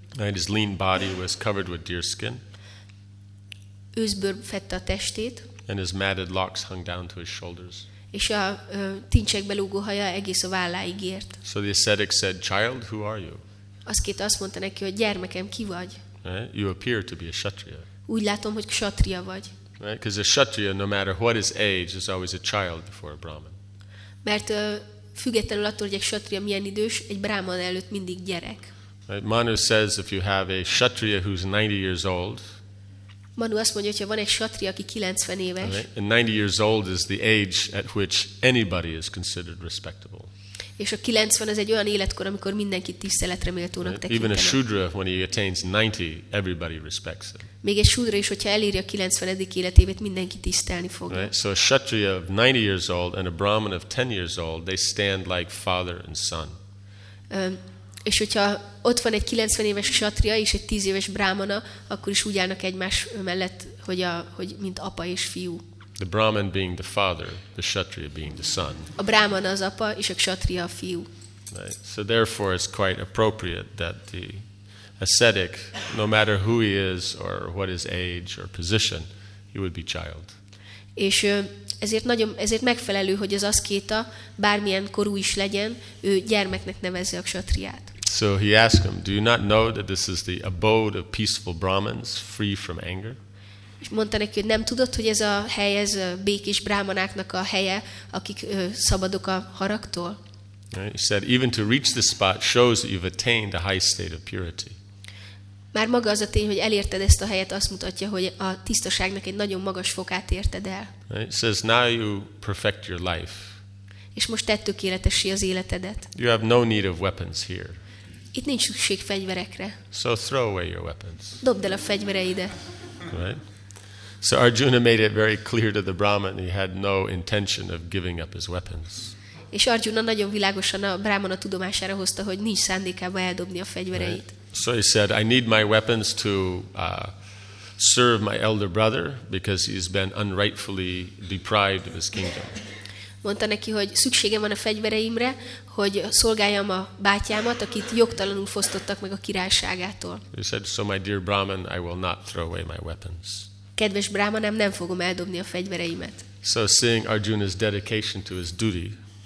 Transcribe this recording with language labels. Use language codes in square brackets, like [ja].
[en] And his lean body was covered with deer skin. [hu] Őszbőr fette a testét. [en] And his matted locks hung down to his shoulders. [hu] És a tincsek belógó haja egész a válláig ért. [en] So the ascetic said, "Child, who are you?" [hu] Aszkéta azt mondta neki, hogy gyermekem, ki vagy? [en] Right? You appear to be a kshatriya. [hu] Úgy látom, hogy kshatriya vagy. [en] Right? Because a kshatriya, no matter what his age, is always a child before a brahmin. [hu] Mert függetlenül attól, hogy egy kshatriya milyen idős, egy brahman előtt mindig gyerek. [en] Right? Manu says if you have a kshatriya who's 90 years old. [hu] Manu azt mondja, hogy van egy kshatriya, aki 90 éves. [en] Right? And 90 years old is the age at which anybody is considered respectable. [hu] És a 90 az egy olyan életkor, amikor mindenki tiszteletre méltónak tekintenek. [en] Even a shudra, when he attains 90, everybody respects him. [hu] Még egy shudra is, hogyha eléri a 90. életévét, mindenki tisztelni fogja. [en] Right? So a kshatriya of 90 years old and a brahmin of 10 years old, they stand like father and son. [hu] És hogyha ott van egy 90 éves kshatriya és egy 10 éves brahmana, akkor is úgy állnak egymás mellett, hogy mint apa és fiú. [en] The Brahman being the father, the Kshatriya being the son. [hu] A Brahman az apa, és a Kshatriya a fiú. [en] Right. So therefore it's quite appropriate that the ascetic, no matter who he is or what his age or position, he would be child. [hu] És ezért megfelelő, hogy az aszkéta bármilyen korú is legyen, ő gyermeknek nevezze a Kshatriyát. [en] So he asked him, "Do you not know that this is the abode of peaceful Brahmins, free from anger?" [hu] És mondta neki, hogy nem tudod, hogy ez a hely, ez a békés brámanáknak a helye, akik szabadok a haragtól? [en] Right. He said, even to reach this spot shows that you've attained a high state of purity. [hu] Már maga az a tény, hogy elérted ezt a helyet, azt mutatja, hogy a tisztaságnak egy nagyon magas fokát érted el. [en] Right. He says, now you perfect your life. [hu] És most tett tökéletessé az életedet. [en] You have no need of weapons here. [hu] Itt nincs szükség fegyverekre. [en] So throw away your weapons. [hu] Dobd el a fegyvereidet. [en] Right. So Arjuna made it very clear to the Brahman he had no intention of giving up his weapons. [hu] És Arjuna nagyon világosan a Brahmana tudomására hozta, hogy nincs szándékában eldobni a fegyvereit. [en] So he said, "I need my weapons to serve my elder brother because he's been unrightfully deprived of his kingdom." [hu] Mondta neki, hogy szükségem van a fegyvereimre, hogy szolgáljam a bátyámat, akit jogtalanul fosztottak meg a királyságától. [en] He said, "So my dear Brahman, I will not throw away my weapons." [hu] Kedves brámanám, nem fogom eldobni a fegyvereimet. [en] So seeing Arjuna's dedication to his duty,